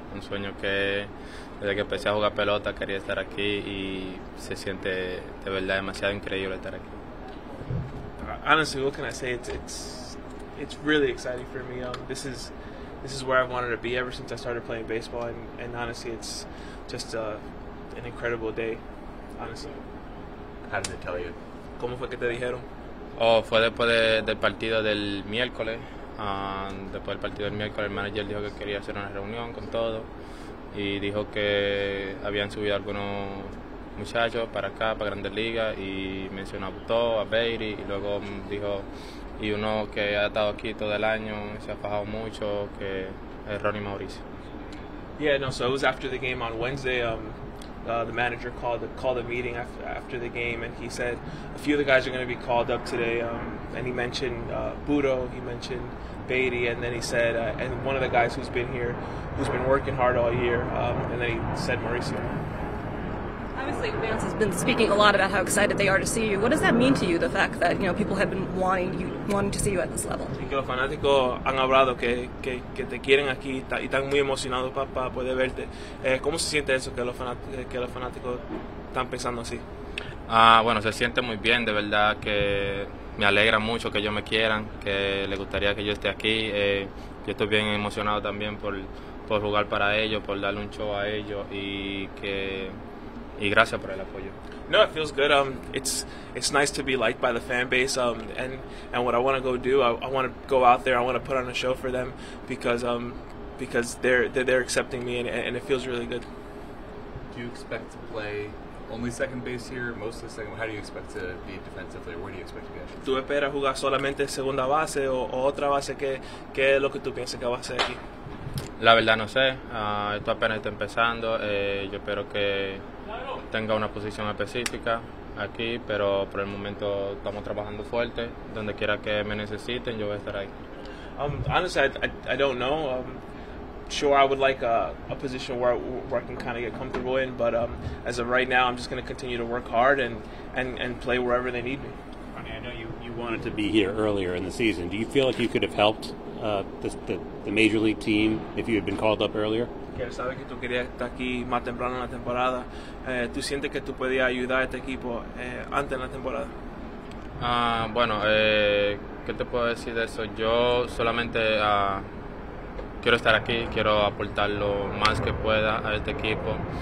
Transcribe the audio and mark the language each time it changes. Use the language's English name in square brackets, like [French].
[Spanish] Un sueño que desde que empecé a jugar pelota quería estar aquí y se siente de verdad demasiado increíble estar aquí. [English] Honestly, what can I say? It's really exciting for me. This is where I've wanted to be ever since I started playing baseball, and honestly, it's just an incredible day. Honestly. How did they tell you? [Spanish] ¿Cómo fue que te dijeron? Oh, fue después del partido del miércoles. Después del partido del miércoles, el manager dijo que quería hacer una reunión con todos y dijo que habían subido algunos muchachos para acá, para Grandes Ligas, y mencionó a Buto, a Beatty, y luego dijo, y uno que ha estado aquí todo el año, se ha fajado mucho, que es Ronny Mauricio. [English] Yeah, no, so it was after the game on Wednesday. The manager called a meeting after the game, and he said a few of the guys are going to be called up today. And he mentioned Budo, he mentioned Beatty, and then he said, and one of the guys who's been here, who's been working hard all year, and then he said Mauricio. Obviously, Vance has been speaking a lot about how excited they are to see you. What does that mean to you, the fact that, you know, people have been wanting to see you at this level? [Spanish] Sí, que los fanáticos han hablado que te quieren aquí y están muy emocionados para poder verte. ¿Cómo se siente eso, que los fanáticos están pensando así? Bueno, se siente muy bien, de verdad, que me alegra mucho que ellos me quieran, que les gustaría que yo esté aquí. Yo estoy bien emocionado también por jugar para ellos, por darle un show a ellos y que... Y gracias por el apoyo. [English] No, it feels good. It's nice to be liked by the fan base. And what I want to go do, I want to go out there. I want to put on a show for them because they're accepting me and it feels really good. Do you expect to play only second base here, mostly second? How do you expect to be defensively? Where do you expect to be? [Spanish] ¿Tú esperas jugar solamente segunda base o otra base? ¿Qué es lo que tú piensas que vas a hacer aquí? La verdad no sé. Esto apenas está empezando. Yo espero que tenga una posición específica aquí, pero por el momento estamos trabajando fuerte. Donde quiera que me necesiten, yo voy a estar ahí. [English] Honestly, I don't know. Sure, I would like a position where I can kind of get comfortable in, but as of right now, I'm just going to continue to work hard and play wherever they need me. Ronny, I know you wanted to be here earlier in the season. Do you feel like you could have helped the Major League team if you had been called up earlier? [Spanish] Él sabe que tú querías estar aquí más temprano en la temporada. ¿Tú sientes que tú podías ayudar a este equipo antes en la temporada? Bueno, ¿qué te puedo decir de eso? Yo solamente quiero estar aquí, quiero aportar lo más que pueda a este equipo.